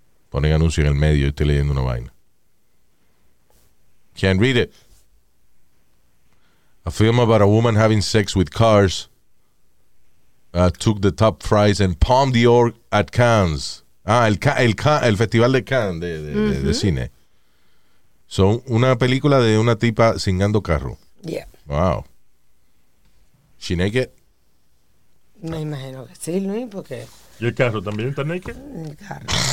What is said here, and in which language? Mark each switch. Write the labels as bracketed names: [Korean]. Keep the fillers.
[Spanish] Ponen anuncio en el medio y estoy leyendo una vaina. [English] Can't read it. A film about a woman having sex with cars uh, took the top prize and palm the org at Cannes. [Spanish] Ah, el, ca el, el Festival de Cannes de, de, de, mm -hmm. de, cine. So, una película de una tipa singando carro. [English] Yeah. Wow. She naked? [Spanish] Me imagino que sí, ¿no? porque. ¿Y el carro también está naked? El carro.